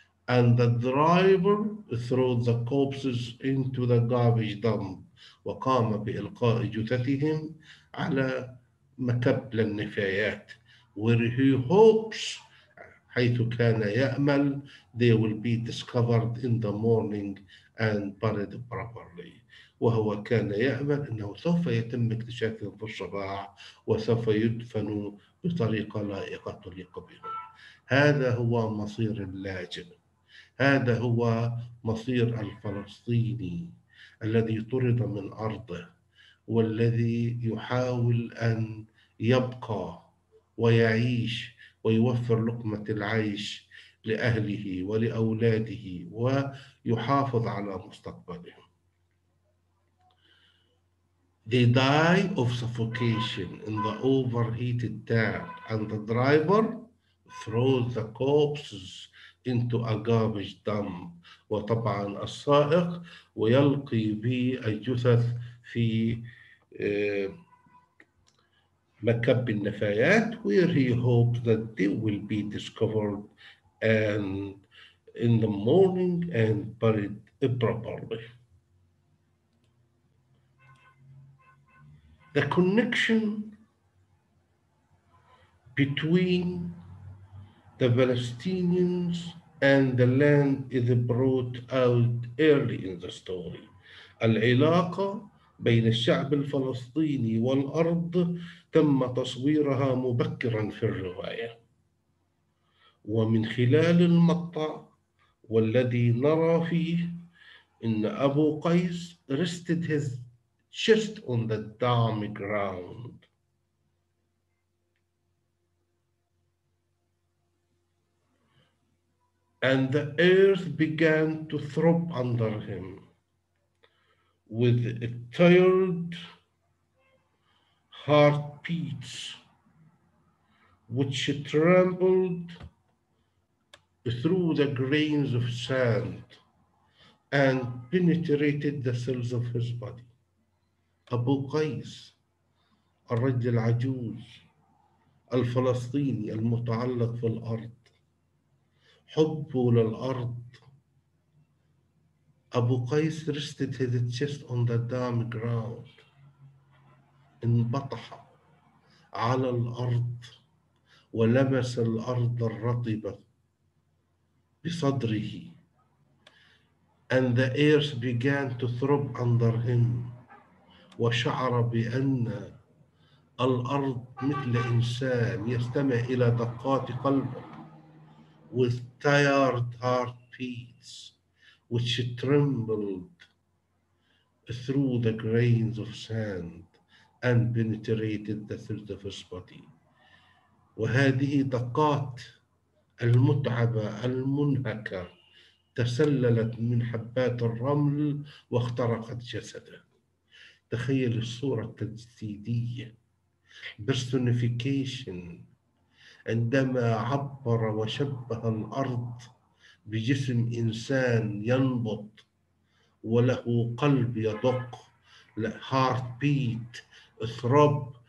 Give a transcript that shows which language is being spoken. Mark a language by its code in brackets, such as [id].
[en] And the driver threw the corpses into the garbage dump. [ar] وقام بإلقاء جثثهم على مكب للنفايات. [en] Where he hopes, [ar] حيث كان يأمل, [en] they will be discovered in the morning and buried properly. [ar] وهو كان يأمل أنه سوف يتم اكتشافهم في الصباح وسوف يدفنوا بطريقة لائقة تليق بهم. هذا هو مصير اللاجئ. هذا هو مصير الفلسطيني الذي طرد من أرضه والذي يحاول أن يبقى ويعيش ويوفر لقمة العيش لأهله ولأولاده ويحافظ على مستقبلهم. [en] They die of suffocation in the overheated tank and the driver throws the corpses into a garbage dump. [ar] وطبعا السائق ويلقي بالجثث في مكب النفايات. [en] Where he hopes that they will be discovered and in the morning and buried properly. The connection between the Palestinians and the land is brought out early in the story. [ar] العلاقة بين الشعب الفلسطيني والأرض تم تصويرها مبكرا في الرواية ومن خلال المقطع والذي نرى فيه إن أبو قيس [en] rested his chest on the damp ground. And the earth began to throb under him with a tired heartbeats which trembled through the grains of sand and penetrated the cells of his body. [ar] أبو قيس الرجل العجوز الفلسطيني المتعلق في الأرض حبه للأرض. [en] أبو قيس rested his chest on the damp ground. [ar] انبطح على الأرض ولمس الأرض الرطبة بصدره. [en] and the earth began to throb under him. [ar] وشعر بأن الأرض مثل إنسان يستمع إلى دقات قلبه. [en] With tired heart beats, which trembled through the grains of sand and penetrated the thread of his body. [ar] وهذه دقات المتعبة المنهكة تسللت من حبات الرمل واخترقت جسده. تخيل الصورة التجسيدية personification عندما عبر وشبه الأرض بجسم إنسان ينبض وله قلب يدق [en] heart beat throb.